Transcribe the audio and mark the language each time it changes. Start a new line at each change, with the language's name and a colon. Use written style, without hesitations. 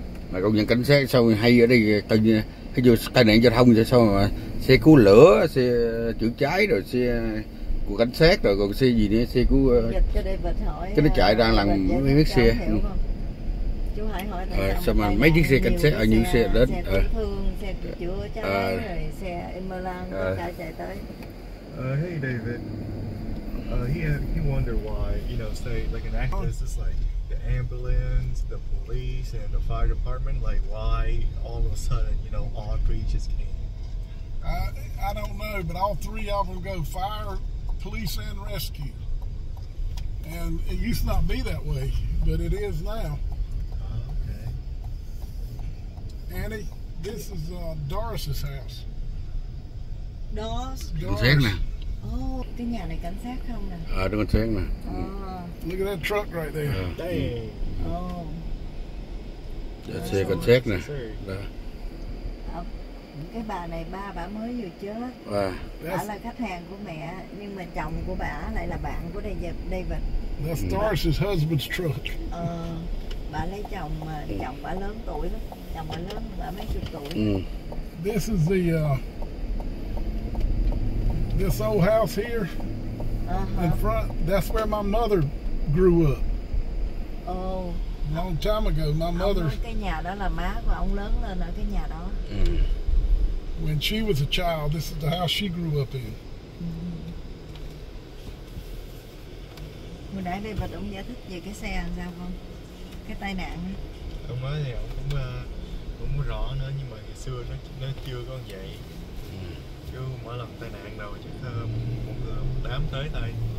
Vietnamese: Mà công nhận cảnh sát sao hay ở đây, cái vụ tai nạn giao thông sao mà xe cứu lửa, xe chữa cháy rồi xe của cảnh sát rồi còn xe gì nữa, xe cứu cái nó chạy ra làm mấy chiếc xe. Chú Hải hỏi sao mà mấy chiếc xe cảnh sát ở những xe đến xe cứu thương, xe chữa cháy rồi xe ambulance chạy tới.
English: Hey David, he wondered why, you know, say like an actress is like the ambulance, the police, and the fire department, like why all of a sudden, you know, all three just came? I don't know, but all three of them go fire, police, and rescue. And it used to not be that way, but it is now. Okay. Annie, this is Doris's house. Doris? Doris. Oh,
Vietnamese: cái nhà này cảnh sát không nè? À, đúng cảnh sát nè.
English: Look at that truck right there. Dang.
Vietnamese: Oh. Yeah, xe cảnh sát nè. Đó. Cái bà này bà mới vừa chết. À. Bà là khách hàng của mẹ, nhưng mà chồng của bà lại là bạn của David.
English: That's Doris's husband's truck.
Vietnamese: Bà lấy chồng mà chồng bà lớn tuổi lắm. Chồng bà lớn, bà mấy chục tuổi.
English: This is the this old house here in front, that's where my mother grew up. Oh, long time ago, my mother.
Vietnamese: Cái nhà đó là má của ông lớn lên ở cái nhà đó.
English: When she was a child, this is the house she grew up in.
Vietnamese: Hồi nãy đây bà ông giải thích về cái xe làm sao không? Cái tai nạn á. Ông nói thì ông cũng cũng rõ nữa, nhưng mà ngày xưa nó chưa có vậy. Chứ mỗi lần tai nạn đâu chắc một người một đám tới đây.